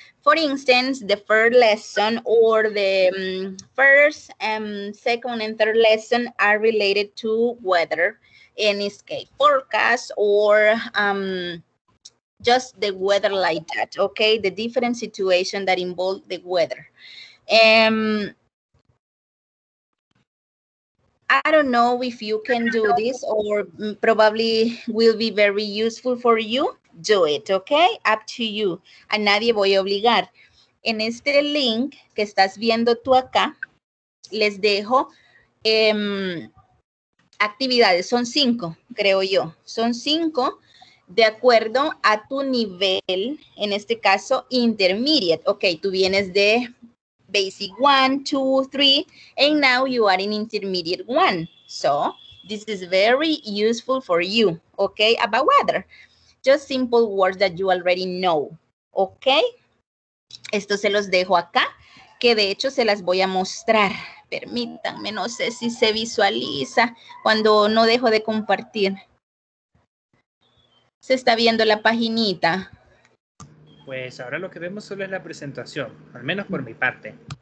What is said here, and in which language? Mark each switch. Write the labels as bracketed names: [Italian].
[English] For instance, the first lesson or the first, second, and third lesson are related to weather, in this case, forecast or just the weather like that, okay, the different situation that involve the weather. I don't know if you can do this or probably will be very useful for you. Do it, okay? Up to you. [Spanish] A nadie voy a obligar. En este link que estás viendo tú acá, les dejo actividades. Son 5, creo yo. Son 5 de acuerdo a tu nivel, en este caso, intermediate. [English] Okay, [Spanish] tú vienes de [English] basic 1, 2, 3, and now you are in intermediate 1. So this is very useful for you, okay? About weather, just simple words that you already know, okay? [Spanish] Esto se los dejo acá, que de hecho se las voy a mostrar. Permítanme, no sé si se visualiza cuando no dejo de compartir. Se está viendo la paginita. Pues ahora lo que vemos solo es la presentación, al menos por mi parte.